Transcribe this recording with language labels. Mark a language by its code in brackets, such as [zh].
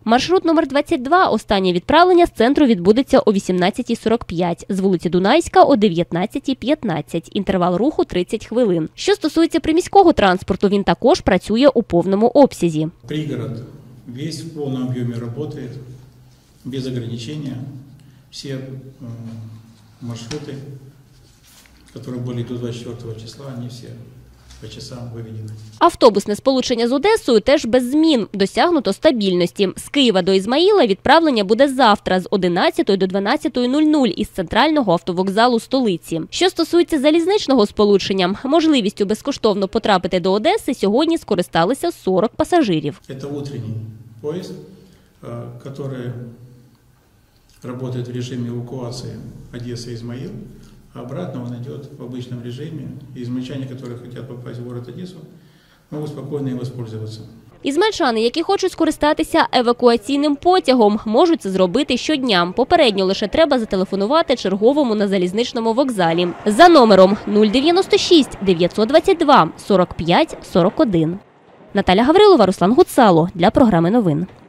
[uk] Маршрут номер 22, останнє відправлення з центру відбудеться о 18:45, з вулиці Дунайська о 19:15, інтервал руху 30 хвилин. Що стосується приміського транспорту, він також працює у повному обсязі. Пригород весь в повному об'ємі працює, без обмежень. [ru] Все маршруты, которые были до 24 числа, они все по часам выведены. [uk] Автобусне сполучення з Одесою теж без змін. Досягнуто стабільності. З Києва до Ізмаїла відправлення буде завтра з 11 до 12.00 із центрального автовокзалу столиці. Що стосується залізничного сполучення, можливістю безкоштовно потрапити до Одеси сьогодні скористалися 40 пасажирів. Це утренній поїзд, який [ru] работает в режиме эвакуации Одесса-Измаил, а обратно он идет в обычном режиме. И измальчане, которые хотят попасть в город Одессу, могут спокойно им воспользоваться. [uk] Ізмальчани, які хочуть скористатися евакуаційним потягом, можуть це зробити щодня. Попередньо лише треба зателефонувати черговому на залізничному вокзалі за номером 096 922 45 41. Наталя Гаврилова, Руслан Гуцало для програми новин.